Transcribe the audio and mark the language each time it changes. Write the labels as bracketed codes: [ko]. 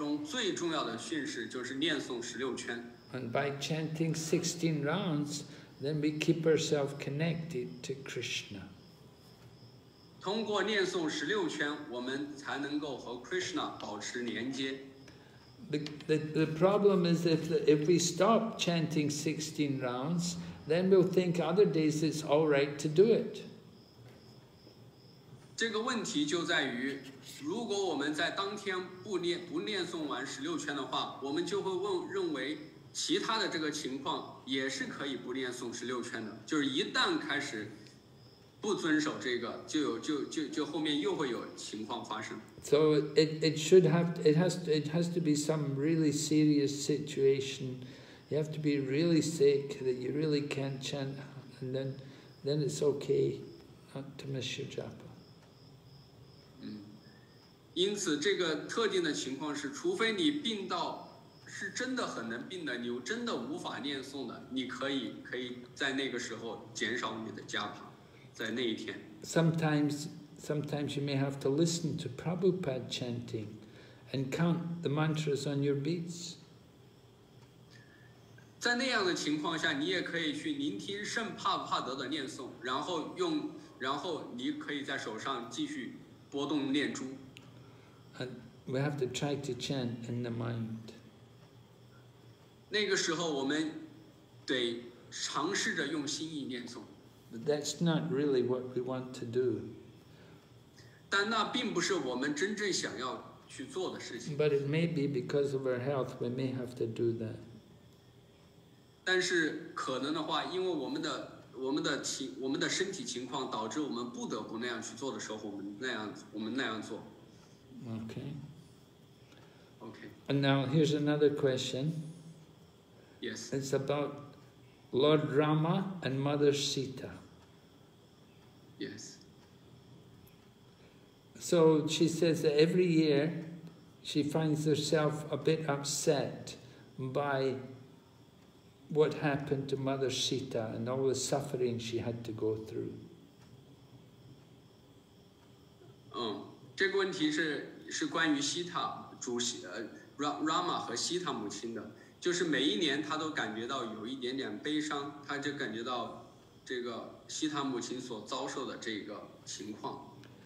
[zh] 而我们知道，我们从我们的灵性导师那里得到的最重要的训示之中，最重要的训示就是念诵16圈。 [en] And by chanting 16 rounds, then we keep ourselves connected to Krishna. [zh] 通过念诵16圈，我们才能够和 Krishna 保持连接。 [en] The problem is if we stop chanting 16 rounds, then we'll think other days it's all right to do it. [zh] 这个问题就在于，如果我们在当天不念诵完16圈的话，我们就会认为其他的这个情况也是可以不念诵十六圈的，就是一旦开始不遵守这个，就后面又会有情况发生。 [en] So it should have it has to be some really serious situation. You have to be really sick that you really can't chant, and then it's okay not to miss your japa. [zh] 嗯，因此这个特定的情况是，除非你病到是真的很难病的，你真的无法念诵的，你可以在那个时候减少你的japa。 [en] Sometimes you may have to listen to Prabhupada chanting and count the mantras on your beads. [zh] 在那样的情况下，你也可以去聆听圣帕帕德的念诵，然后你可以在手上继续拨动念珠。 [en] And we have to try to chant in the mind. [zh] 那个时候我们得尝试着用心意念诵。 [en] But that's not really what we want to do. [zh] 但那并不是我们真正想要去做的事情。 [en] But it may be because of our health, we may have to do that. [zh] 但是可能的话，因为我们的身体情况导致我们不得不那样去做的时候，我们那样做。 [en] Okay. Okay. And now here's another question. Yes. It's about Lord Rama and Mother Sita. Yes. So she says that every year she finds herself a bit upset by what happened to Mother Sita and all the suffering she had to go through. [zh] 这个问题是关于西塔主席Rama 和西塔母亲的。就是每一年他都感觉到有一点点悲伤，他就感觉到这个西塔母亲所遭受的这个情况。